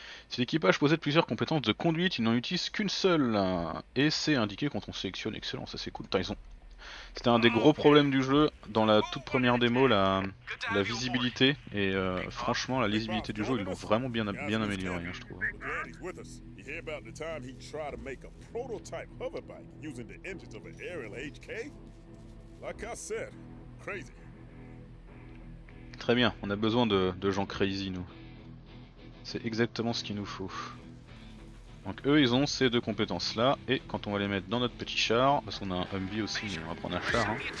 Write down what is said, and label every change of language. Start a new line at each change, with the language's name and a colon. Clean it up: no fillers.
French: Si l'équipage possède plusieurs compétences de conduite, ils n'en utilisent qu'une seule. Et c'est indiqué quand on sélectionne. Excellent, ça c'est cool. Attends, ils ont... C'était un des gros problèmes du jeu dans la toute première démo, la visibilité. Et franchement, la lisibilité du jeu, ils l'ont vraiment bien amélioré, je trouve.
English: Hear about the time he tried to make a prototype hover bike using the engines of an aerial HK? Like I said, crazy.
French: Très bien, on a besoin de gens crazy, nous. C'est exactement ce qu'il nous faut. Donc eux, ils ont ces deux compétences-là, et quand on va les mettre dans notre petit char, parce qu'on a un Humvee aussi, mais on va prendre un char, hein.